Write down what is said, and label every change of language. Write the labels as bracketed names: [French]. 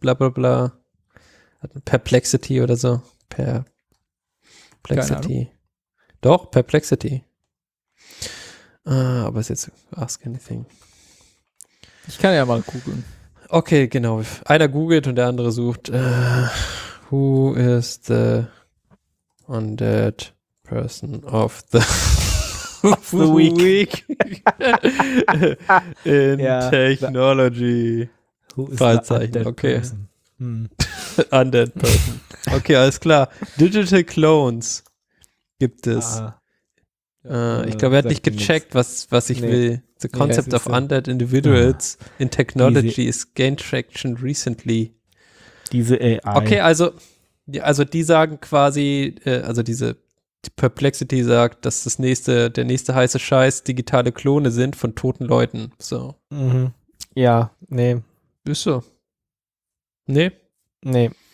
[German] Blablabla. Perplexity oder so. Perplexity. Doch, Perplexity. Aber ist jetzt Ask Anything. Ich kann ja mal googeln. Okay, genau. Einer googelt und der andere sucht. [English] Who is the undead person of the week in technology? Who is the undead person? [German] Undead Person. Okay, alles klar. Digital Clones gibt es. Ich glaube, er hat nicht gecheckt, was ich will. [English] The concept of undead individuals in technology is gained traction recently. [German] Diese AI. Okay, also die sagen quasi, also diese die Perplexity sagt, dass der nächste heiße Scheiß digitale Klone sind von toten Leuten. So. Mhm. Ja, nee. Ist so. Nee? Nee.